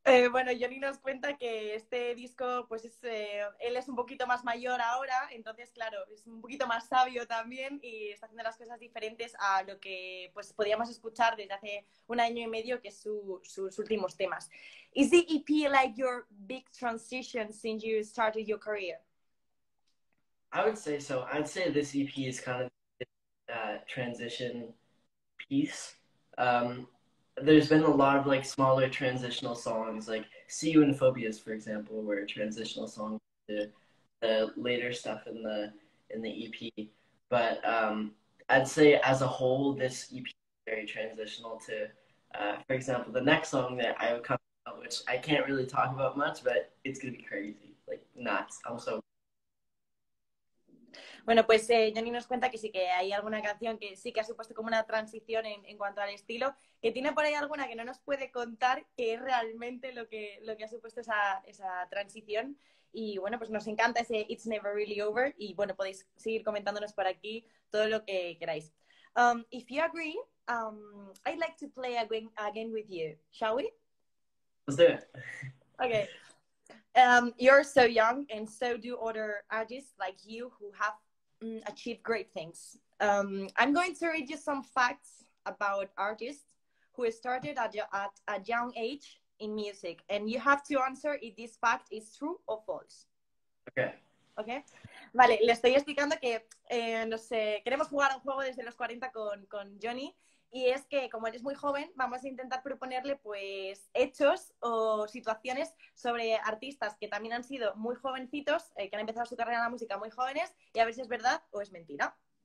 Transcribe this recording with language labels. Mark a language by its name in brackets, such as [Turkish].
[Spanish] bueno, Johnny nos cuenta que este disco, pues él es un poquito más mayor ahora, entonces, claro, es un poquito más sabio también y está haciendo las cosas diferentes a lo que pues podíamos escuchar desde hace un año y medio, que es sus últimos temas. [English] ¿Es the EP like your big transition since you started your career? I would say so. I'd say this EP is kind of a transition piece. There's been a lot of like smaller transitional songs, like See You in Phobias, for example, were a transitional song to the later stuff in the EP. But I'd say as a whole, this EP is very transitional to, for example, the next song that I would come out, which I can't really talk about much, but it's gonna be crazy, like nuts. I'm so [Spanish] Bueno, pues Johnny nos cuenta que sí que hay alguna canción que sí que ha supuesto como una transición en cuanto al estilo, que tiene por ahí alguna que no nos puede contar qué es realmente lo que ha supuesto esa transición. Y bueno, pues nos encanta ese It's Never Really Over y bueno, podéis seguir comentándonos por aquí todo lo que queráis. [English] If you agree, I'd like to play again with you, shall we? let's do Okay. it. You're so young, and so do other artists like you who have achieved great things. I'm going to read you some facts about artists who started at a young age in music, and you have to answer if this fact is true or false. Okay. Okay. [Spanish] Vale, le estoy explicando que no sé, queremos jugar un juego desde los 40 con Johnny. Y es que como eres muy joven, vamos a intentar proponerle pues hechos o situaciones sobre artistas que también han sido muy jovencitos, que han empezado su carrera en la música muy jóvenes, y a ver si es verdad o es mentira.